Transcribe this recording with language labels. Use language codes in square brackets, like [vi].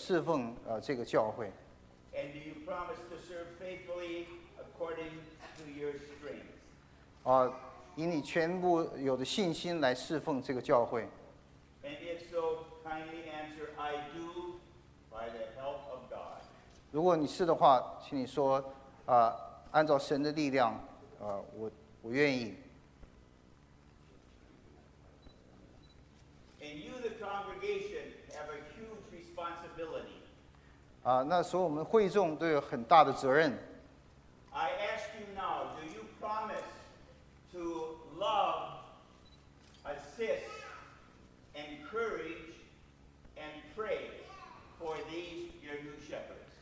[en] And do you promise to serve faithfully according to your strength? [zh] 以你全部有的信心来侍奉这个教会。 [en] And if so, kindly answer, I do by the help of God. [zh] 如果你是的话, 请你说, 按照神的力量, 我愿意。 [en] And you, the congregation, have a huge responsibility. [zh] 那时候我们会众都有很大的责任。 [en] I ask you now, do you promise to love, assist, encourage, and pray for these your new shepherds?